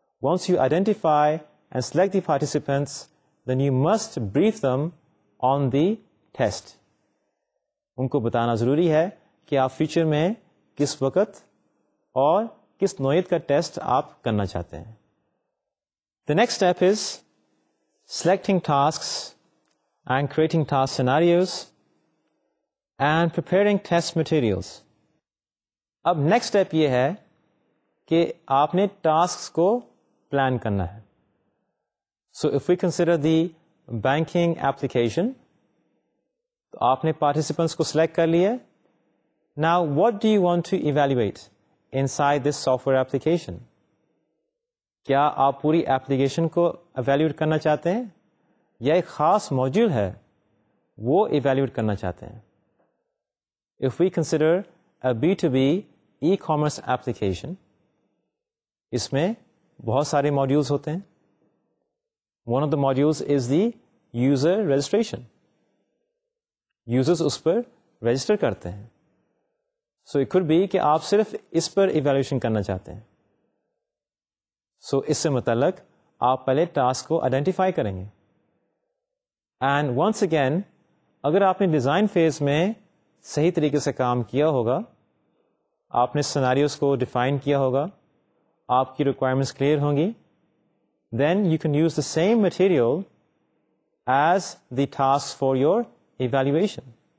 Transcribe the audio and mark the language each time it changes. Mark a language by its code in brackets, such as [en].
[en] Once you identify and select the participants, then you must brief them on the test. [ur] ان کو بتانا ضروری ہے کہ آپ فیوچر میں کس وقت اور کس نوعیت کا ٹیسٹ آپ کرنا چاہتے ہیں. [en] The next step is selecting tasks and creating task scenarios and preparing test materials. [ur] اب next step یہ ہے کہ آپ نے tasks کو plan کرنا ہے. [en] So if we consider the banking application, [ur] تو آپ نے participants کو select کر لیا. [en] Now what do you want to evaluate inside this software application? [ur] کیا آپ پوری application کو evaluate کرنا چاہتے ہیں یا ایک خاص module ہے وہ evaluate کرنا چاہتے ہیں؟ [en] If we consider a B2B e-commerce application, [ur] اس میں بہت سارے modules ہوتے ہیں. [en] One of the modules is the user registration. [ur] Users اس per register کرتے ہیں. [en] So it could be [ur] کہ آپ صرف اس پر evaluation کرنا چاہتے ہیں. So اس سے متعلق آپ پہلے task کو identify کریں گے. [en] And once again, [ur] اگر آپ نے design phase میں صحیح طریقے سے کام کیا ہوگا, آپ نے scenarios کو define کیا ہوگا, آپ کی requirements clear ہوں گی, [en] then you can use the same material as the tasks for your evaluation.